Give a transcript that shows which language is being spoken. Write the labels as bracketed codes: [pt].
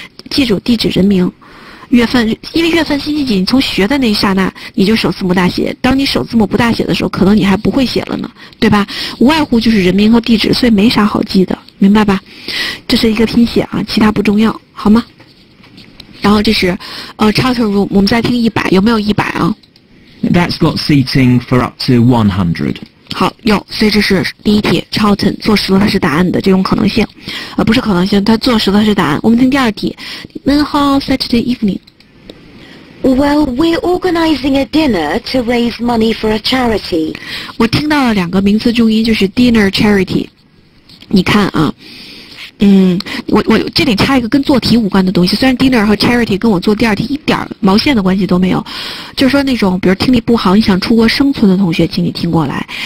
[zh] 记住地址、人名、月份，因为月份星期几，你从学的那一刹那你就首字母大写，当你首字母不大写的时候可能你还不会写了呢，对吧？无外乎就是人名和地址，所以没啥好记的，明白吧？这是一个拼写啊，其他不重要，好吗？然后这是Charter Room， 我们再听100，有没有100啊？ [en] That's got seating for up to 100. [zh] 好，有，所以这是第一题， Charlton 坐实了它是答案的这种可能性，不是可能性，它坐实了它是答案。我们听第二题。 [en] Then how Saturday evening? Well, we're organizing a dinner to raise money for a charity. [zh] 我听到了两个名词重音，就是 dinner charity。你看啊，我这里插一个跟做题无关的东西，虽然 dinner 和 charity 跟我做第二题一点毛线的关系都没有，就是说那种比如听力不好你想出国生存的同学，请你听过来。